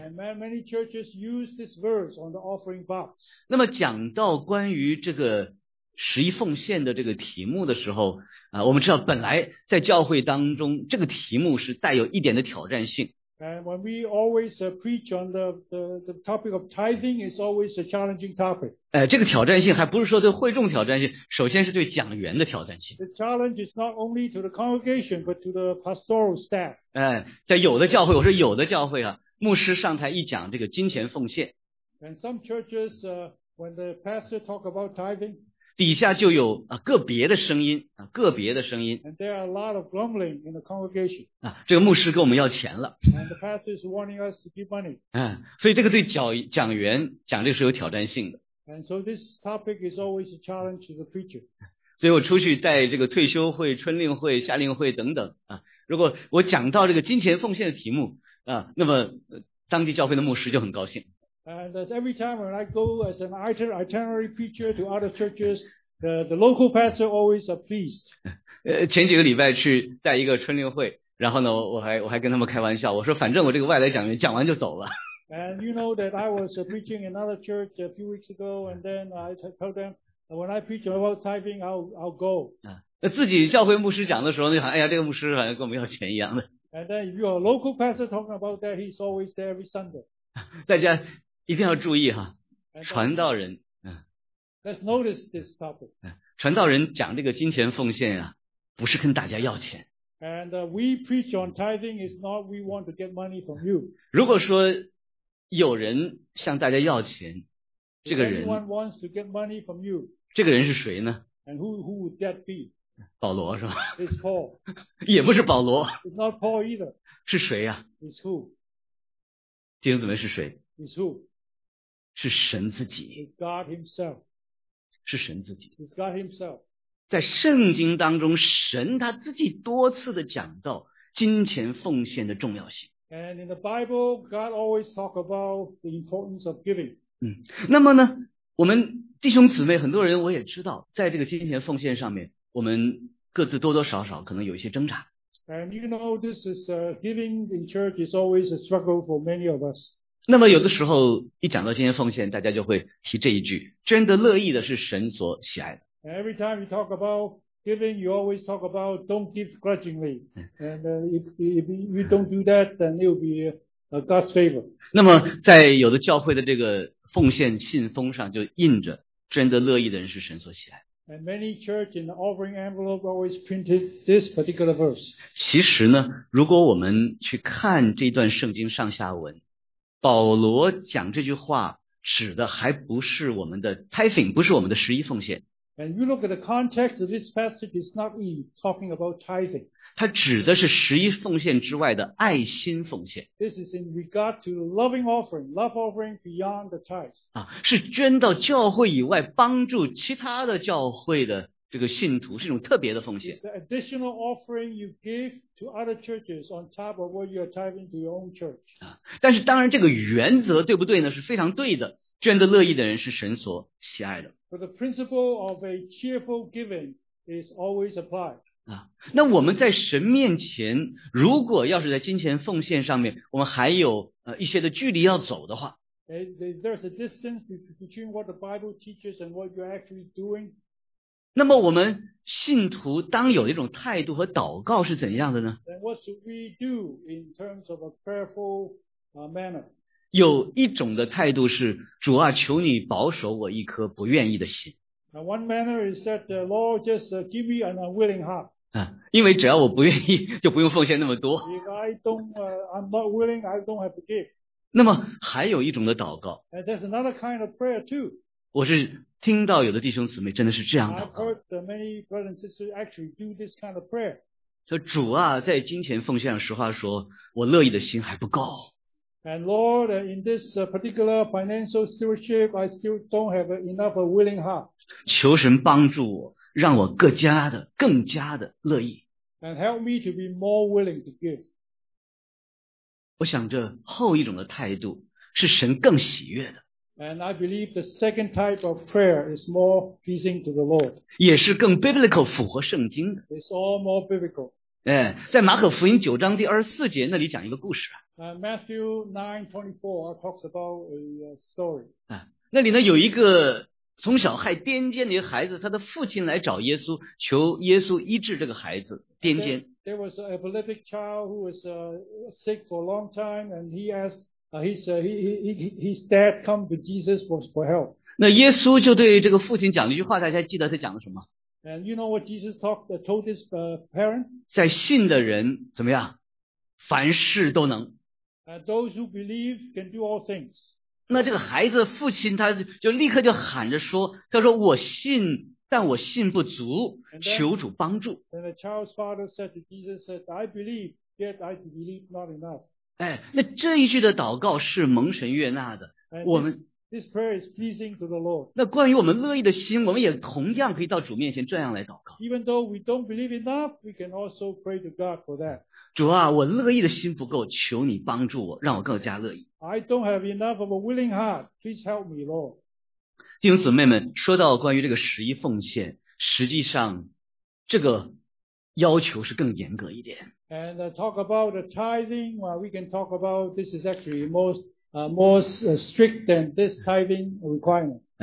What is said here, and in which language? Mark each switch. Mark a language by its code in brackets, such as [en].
[en] And many churches use this verse on the offering box. [zh] 那么讲到关于这个十一奉献的这个题目的时候我们知道本来在教会当中这个题目是带有一点的挑战性。 [en] And when we always preach on the topic of tithing, it's always a challenging topic. [zh] 这个挑战性还不是说对会众挑战性，首先是对讲员的挑战性。 [en] The challenge is not only to the congregation, but to the pastoral staff. [zh] 在有的教会，我说有的教会牧师上台一讲这个金钱奉献。 [en] And some churches, when the pastor talk about tithing, [zh] 底下就有个别的声音个别的声音。 [en] And there are a lot of grumbling in the congregation. [zh] 这个牧师跟我们要钱了。 [en] And the pastor is warning us to give money. [zh] 所以这个对讲员讲这个是有挑战性的。 [en] And so this topic is always a challenge to the preacher. [zh] 所以我出去带这个退休会、春令会、夏令会等等如果我讲到这个金钱奉献的题目那么当地教会的牧师就很高兴。 [en] And every time when I go as an itinerary preacher to other churches, the local pastor always are pleased. [zh] 前几个礼拜去带一个春令会，然后呢，我还跟他们开玩笑，我说反正我这个外来讲员讲完就走了。 [en] And you know that I was preaching another church a few weeks ago, and then I told them when I preach about tithing, I'll go. [zh] 自己教会牧师讲的时候，就哎呀，这个牧师好像跟我们要钱一样的。 [en] And then if you are a local pastor talking about that, he's always there every Sunday. [zh] 大家一定要注意传道人 [en] Let's notice this topic. [zh] 传道人讲这个金钱奉献不是跟大家要钱。 [en] And we preach on tithing is not we want to get money from you. [zh] 如果说有人向大家要钱，这个人 [en] If anyone wants to get money from you, [zh] 这个人是谁呢？ [en] And who would that be? [zh] 保罗是吧 [en] It's Paul. [zh] 也不是保罗 [en] It's not Paul either. [zh] 是谁 [en] It's who? [zh] 弟兄姊妹是谁 [en] It's who? [zh] 是神自己 [en] It's God himself. [zh] 是神自己 [en] It's God himself. [zh] 在圣经当中神他自己多次的讲到金钱奉献的重要性 [en] And in the Bible, God always talk about the importance of giving. [zh] 那么呢我们弟兄姊妹很多人我也知道在这个金钱奉献上面我们各自多多少少可能有一些挣扎。 [en] And you know, this is giving in church is always a struggle for many of us. [zh] 那么有的时候一讲到金钱奉献，大家就会提这一句：捐得乐意的是神所喜爱的。 [en] And every time you talk about giving, you always talk about don't give grudgingly. And if you don't do that, then it will be God's favor. [zh] 那么在有的教会的这个奉献信封上就印着：捐得乐意的人是神所喜爱的。 [en] And many church in the offering envelope always printed this particular verse. [zh] 其实呢，如果我们去看这段圣经上下文，保罗讲这句话指的还不是我们的 tithing， 不是我们的十一奉献。 [en] And you look at the context of this passage, it's not really talking about tithing. [zh] 它指的是十一奉献之外的爱心奉献。 [en] This is in regard to loving offering, love offering beyond the tithe. [zh] 啊，是捐到教会以外帮助其他的教会的这个信徒，是一种特别的奉献。 [en] It's the additional offering you give to other churches on top of what you are tithing to your own church. [zh] 啊，但是当然这个原则对不对呢？是非常对的。捐得乐意的人是神所喜爱的。 [en] But the principle of a cheerful giving is always applied. [zh] 啊，那我们在神面前，如果要是在金钱奉献上面，我们还有一些的距离要走的话。 [en] There's a distance between what the Bible teaches and what you're actually doing. [zh] 那么我们信徒当有一种态度和祷告是怎样的呢？ [en] Then what should we do in terms of a prayerful manner? [zh] 有一种的态度是主啊求你保守我一颗不愿意的心。 [en] Now, one manner is that the Lord just give me an unwilling heart. [zh] 因为只要我不愿意就不用奉献那么多。 [en] If I'm not willing, I don't have to give. [zh] 那么还有一种的祷告。 [en] And there's another kind of prayer too. [zh] 我是听到有的弟兄姊妹真的是这样祷告。 [en] I've heard many brothers and sisters actually do this kind of prayer. [zh] 说主啊在金钱奉献上实话说我乐意的心还不够。 [en] And Lord, in this particular financial stewardship, I still don't have enough a willing heart. [zh] 求神帮助我，让我更加的乐意。 [en] And help me to be more willing to give. [zh] 我想这后一种的态度是神更喜悦的。 [en] And I believe the second type of prayer is more pleasing to the Lord. [zh] 也是更 biblical, 符合圣经的。 [en] It's all more biblical. [zh] 在马可福音九章第二十四节那里讲一个故事啊。 [en] Matthew 9:24 talks about a story. [zh] 那里呢有一个从小害癫痫的孩子，他的父亲来找耶稣，求耶稣医治这个孩子癫痫。 [en] There was an epileptic child who was sick for a long time, and he asked his dad come to Jesus for help. [zh] 那耶稣就对这个父亲讲了一句话，大家记得他讲了什么？ [en] And you know what Jesus told this parent? [zh] 在信的人怎么样？凡事都能。 [en] Those who believe can do all things. [zh] 那这个孩子父亲他就立刻就喊着说，他说我信，但我信不足，求主帮助。 [en] And the child's father said to Jesus, said, I believe, yet I believe not enough. [zh] 那这一句的祷告是蒙神悦纳的。我们 [en] this prayer is pleasing to the Lord. [zh] 那关于我们乐意的心，我们也同样可以到主面前这样来祷告。 [en] Even though we don't believe enough, we can also pray to God for that. [zh] 主啊我乐意的心不够求你帮助我让我更加乐意。 [en] I don't have enough of a willing heart. Please help me, Lord. [zh] 弟兄姊妹们说到关于这个十一奉献实际上这个要求是更严格一点。 [en] And talk about the tithing, we can talk about this is actually more strict than this tithing requirement.